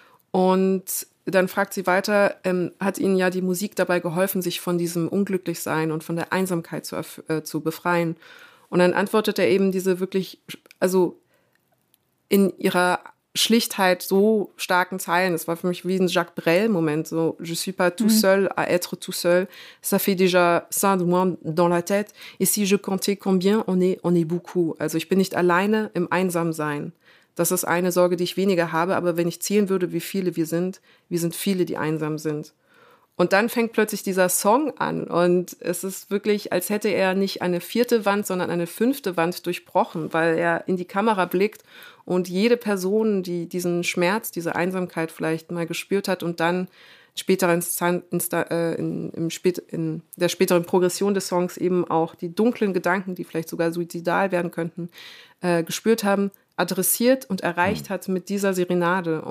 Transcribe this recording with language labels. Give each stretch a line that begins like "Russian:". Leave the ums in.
German: Und dann fragt sie weiter, ähm, hat ihnen ja die Musik dabei geholfen, sich von diesem Unglücklichsein und von der Einsamkeit zu, äh, zu befreien. Und dann antwortet er eben diese wirklich, also in ihrer Schlichtheit so starken Zeilen. Es war für mich wie ein Jacques Brel-Moment, so
French: Je suis pas tout seul à être tout seul, ça fait déjà ça de moi dans la tête, et si je comptais combien on est, on est beaucoup.
German: Also ich bin nicht alleine im Einsamsein. Das ist eine Sorge, die ich weniger habe, aber wenn ich zählen würde, wie viele wir sind, wir sind viele, die einsam sind. Und dann fängt plötzlich dieser Song an und es ist wirklich, als hätte er nicht eine vierte Wand, sondern eine fünfte Wand durchbrochen, weil er in die Kamera blickt und jede Person, die diesen Schmerz, diese Einsamkeit vielleicht mal gespürt hat und dann später in, in, in, spät, in der späteren Progression des Songs eben auch die dunklen Gedanken, die vielleicht sogar suizidal werden könnten, äh, gespürt haben, adressiert und erreicht hat mit dieser Serenade.